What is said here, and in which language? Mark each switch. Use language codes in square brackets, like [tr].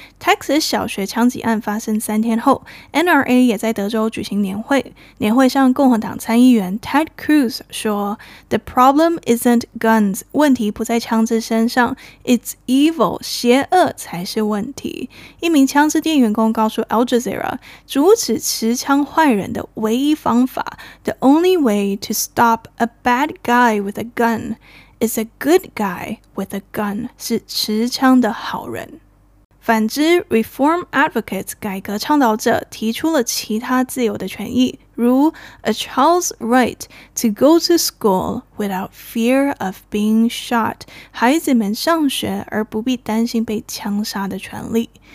[zh] Texas 小学枪击案发生三天后， NRA 也在德州举行年会。年会上共和党参议员 Ted Cruz 说 [en] The problem isn't guns， [zh] 问题不在枪支身上， [en] It's evil， [zh] 邪恶才是问题。一名枪支店员工告诉 Al Jazeera， 阻止持枪坏人的唯一方法， [en] The only way to stop a bad guy with a gun [zh] is a good guy with a gun， 是持枪的好人。反之 ，Reform Advocates 改革倡导者提出了其他自由的权益，如 [en] a child's right to go to school without fear of being shot， [zh] 孩子们上学而不必担心被枪杀的权利。